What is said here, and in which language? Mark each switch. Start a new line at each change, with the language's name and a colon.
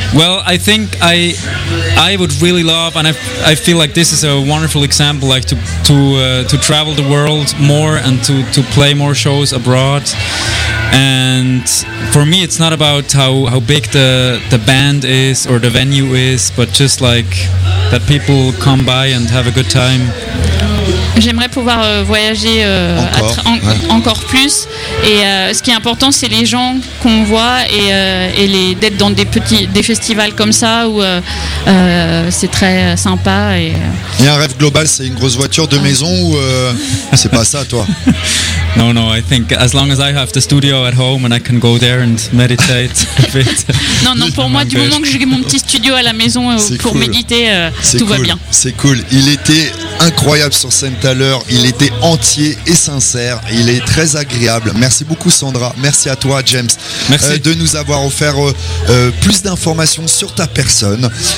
English: Well, I think I would really love, and I feel like this is a wonderful example, like to travel the world more and to play more shows abroad. And for me, it's not about how big the band is or the venue is, but just like that people come by and have a good time.
French: J'aimerais pouvoir voyager encore plus. Et ce qui est important, c'est les gens qu'on voit d'être dans des festivals comme ça où c'est très sympa. Et un rêve global, c'est une grosse voiture de maison ou c'est pas ça, toi?
English: No, I think as long as I have the studio at home and I can go there and meditate a bit.
French: Non, pour moi, du moment que j'ai mon petit studio à la maison pour méditer, tout va bien. C'est cool. Il était incroyable sur scène tout à l'heure. Il était entier et sincère. Il est très agréable. Merci beaucoup, Sandra. Merci à toi, James. Merci. De nous avoir offert plus d'informations sur ta personne.